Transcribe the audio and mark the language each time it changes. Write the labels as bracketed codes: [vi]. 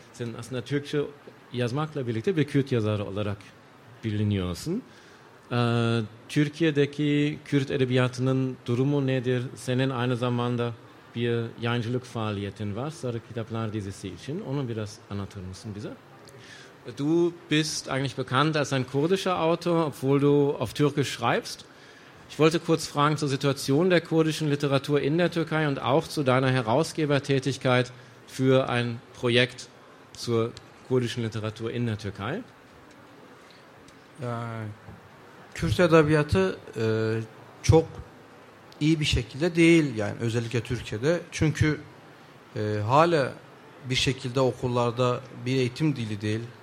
[tr] senin aslında Türkçe yazmakla birlikte bir Kürt yazarı olarak biliniyorsun. Türkiye'deki Kürt edebiyatının durumu nedir? Senin aynı zamanda bir yayıncılık faaliyetin var, Sarı Kitaplar dizisi için. Onu biraz anlatır mısın bize? [de] Du bist eigentlich bekannt als ein kurdischer Autor, obwohl du auf Türkisch schreibst. Ich wollte kurz fragen zur Situation der kurdischen Literatur in der Türkei und auch zu deiner Herausgebertätigkeit für ein Projekt zur kurdischen Literatur in der Türkei. [tr] Kürt edebiyatı çok iyi bir şekilde değil, yani özellikle Türkiye'de. Çünkü hala bir şekilde okullarda bir eğitim dili değil.